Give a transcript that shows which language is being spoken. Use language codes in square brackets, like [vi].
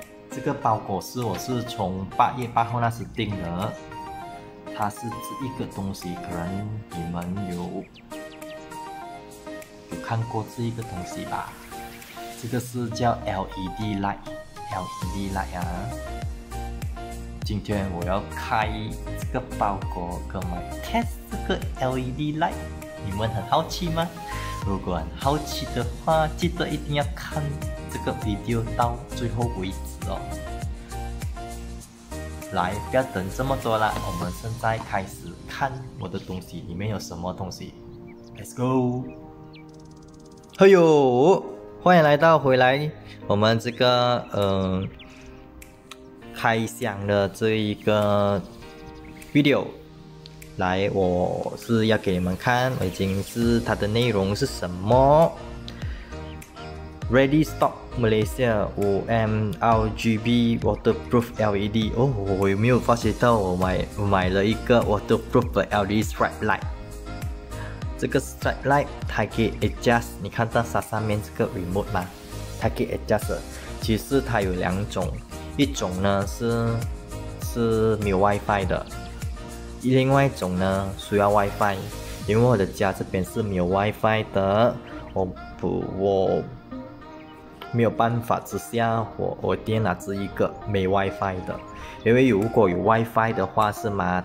[zh] 这个包裹是我是从八月八号那时订的，它是这一个东西，可能你们有看过这一个东西吧？这个是叫 LED light，LED light 啊。今天我要开这个包裹，跟我 test 这个 LED light， 你们很好奇吗？如果很好奇的话，记得一定要看这个 video 到最后为止。来，不要等这么多了，我们现在开始看我的东西里面有什么东西。 [en] Let's go！ [zh] 嘿呦，欢迎来到回来，我们这个开箱的这一个 video。来，我是要给你们看，已经是它的内容是什么。 [en] Ready stock Malaysia 5M RGB waterproof LED [zh] 哦，我有没有发现到我买了一个 [en] waterproof LED stripe light？ [zh] 这个 stripe light 它可以 adjust， 你看到它上面这个 remote 吗？它可以 adjust。其实它有两种，一种呢是没有 WiFi 的，另外一种呢需要 WiFi， 因为我的家这边是没有 WiFi 的，我。没有办法之下，我电脑是一个没 WiFi 的，因为如果有 WiFi 的话是吗？